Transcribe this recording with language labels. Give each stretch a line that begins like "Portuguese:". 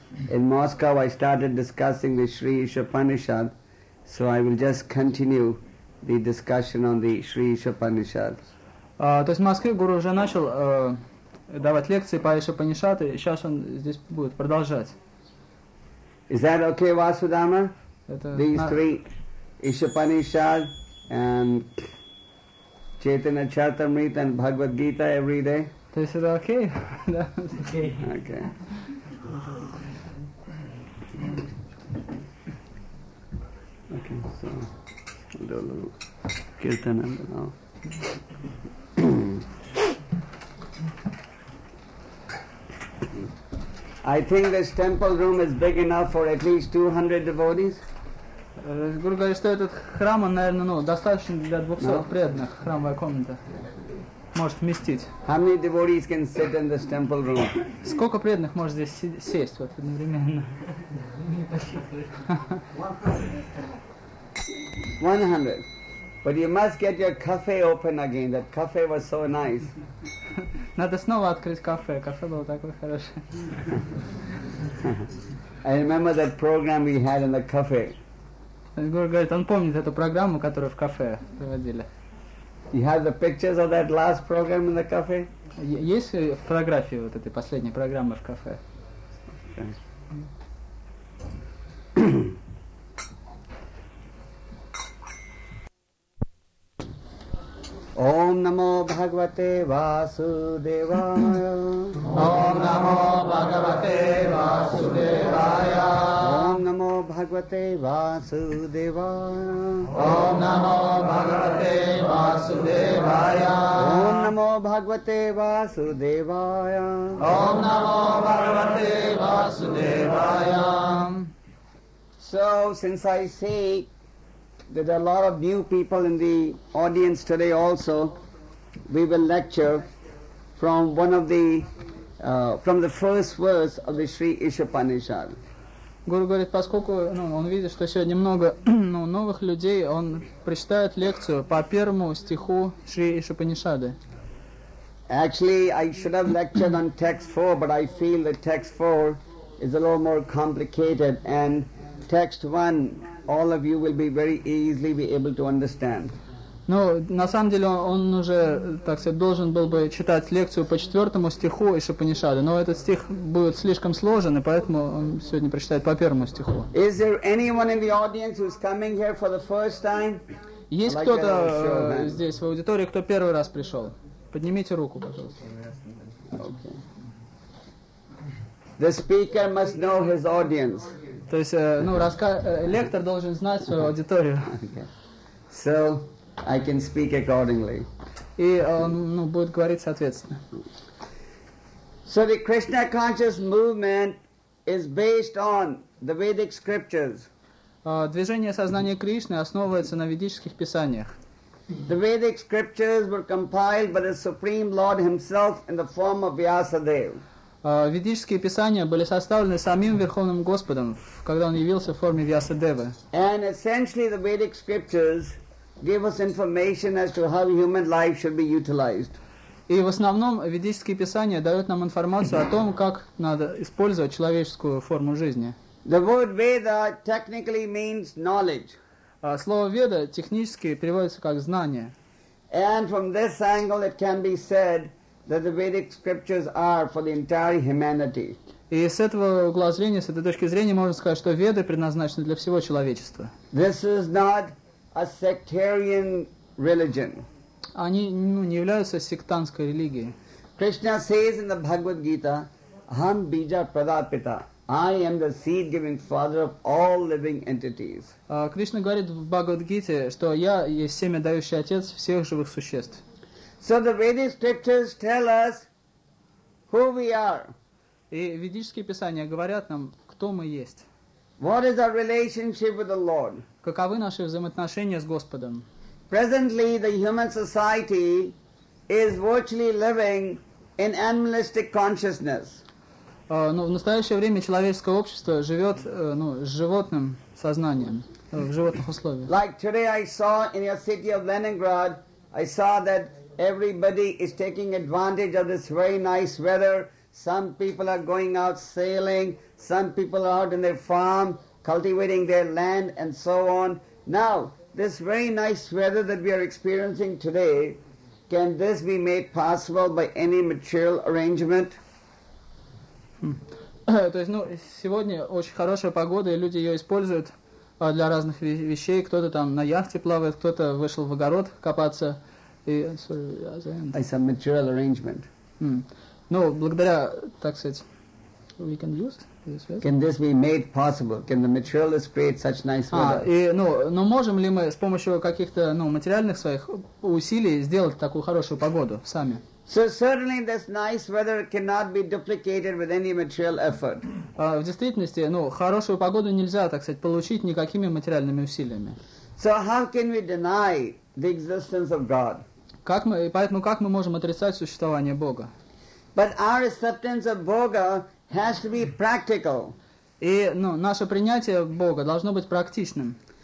English: In Moscow I started discussing the Sri Ishopanishad, so I will just continue the discussion on the Sri Ishopanishad.
Russian: То есть в Москве Гуру уже начал давать лекции по Ишопанишад, и сейчас он здесь будет продолжать.
English: Is that okay, Vasudama? These three, Ishopanishad and Chaitanya Charitamrita and Bhagavad Gita every day?
Russian: То есть это окей? Да. Окей.
English: Okay, so we'll do a little kirtan and then I'll... I think this temple room is big enough for at least 200 devotees.
Russian: Гуру говорит, что этот храм, он, наверное, достаточно для 200 преданных, храмовая комната. Может вместить.
English: How many devotees can sit in this temple room?
Russian: Сколько преданных может здесь сесть вот одновременно? 100.
English: But you must get your cafe open again. That cafe was so nice.
Russian: Надо снова открыть кафе. Кафе было такое хорошее.
English: I remember that program we had in the cafe.
Russian: Гуру говорит, он помнит эту программу, которую в кафе проводили.
English: You have the pictures of that last program in the cafe?
Russian: Есть фотографии вот этой последней программы в кафе?
Sanskrit: Ом намо Бхагавате Васудевая. Ом намо Бхагавате Васудевая. Ом намо Бхагавате Васудевая. Ом намо Бхагавате Васудевая. Ом намо Бхагавате Васудевая. Ом намо Бхагавате Васудевая.
English: So since I see there are a lot of new people in the audience today also, we will lecture from one of the from the first verse of the Sri Ishopanishad.
Russian: Guru говорит, поскольку он видит, что сегодня много новых людей, он прочитает лекцию по первому стиху Шри Ишопанишады.
English: Actually, I should have lectured on text 4, but I feel that text 4 is a little more complicated, and text 1 all of you will be very easily be able to understand.
Russian: Ну, на самом деле, он уже, так сказать, должен был бы читать лекцию по четвертому стиху Ишопанишады, но этот стих будет слишком сложен, и поэтому он сегодня прочитает по первому стиху.
English: Is there anyone in the audience who's coming here for the first time?
Russian: Есть кто-то здесь в аудитории, кто первый раз пришел? Поднимите руку, пожалуйста.
English: Okay. The speaker must know his audience.
Russian: То есть, лектор должен знать свою аудиторию.
English: Okay. So, I can speak accordingly.
Russian: И он будет говорить соответственно.
English: So the Krishna conscious movement is based on the Vedic scriptures.
Russian: Движение сознания Кришны основывается на ведических писаниях.
English: The Vedic scriptures were compiled by the Supreme Lord Himself in the form of Vyasadeva.
Russian: Ведические писания были составлены самим Верховным Господом, когда Он явился в форме Вьясадевы.
English: And essentially the Vedic scriptures give us information as to how human life should be utilized.
Russian: И в основном ведические писания дают нам информацию о том, как надо использовать человеческую форму жизни.
English: The word Veda technically means knowledge.
Russian: Слово Веда технически переводится как знание.
English: And from this angle it can be said that the Vedic scriptures are for the entire humanity.
Russian: И с этого угла зрения, с этой точки зрения, можно сказать, что Веды предназначены для всего человечества.
English: This is not a sectarian religion.
Russian: Они не являются сектантской религией.
English: Krishna says in the Bhagavad Gita,
Sanskrit: "Aham bija pradapita.
English: I am the seed-giving father of all living entities."
Russian: Кришна говорит в Бхагавад Гите, что я есть семя дающий отец всех живых существ.
English: So the Vedic scriptures tell us who we are.
Russian: И ведические писания говорят нам, кто мы есть.
English: What is our relationship with the Lord?
Russian: Каковы наши взаимоотношения с Господом?
English: Presently, the human society is virtually living in animalistic consciousness.
Russian: Но в настоящее время человеческое общество живет с животным сознанием, в животных условиях.
English: Like today, I saw in your city of Leningrad, I saw that everybody is taking advantage of this very nice weather. Some people are going out sailing, some people are out in their farm, cultivating their land and so on. Now, this very nice weather that we are experiencing today, can this be made possible by any material arrangement?
Russian: То есть, сегодня очень хорошая погода, и люди ее используют для разных вещей. Кто-то там на яхте плавает, кто-то вышел в огород копаться.
English: It's a material arrangement.
Russian: Благодаря, так сказать,
English: we can use this. Can this be made possible? Can the materialists create such nice weather?
Russian: Можем ли мы с помощью каких-то материальных своих усилий сделать такую хорошую погоду сами?
English: So certainly this nice weather cannot be duplicated with any material effort.
Russian: В действительности, хорошую погоду нельзя, так сказать, получить никакими материальными усилиями.
English: So how can we deny the existence of God?
Russian: Как мы можем отрицать существование Бога?
English: But our acceptance of Boga has to be practical.
Russian: Наше принятие Бога должно быть практичным.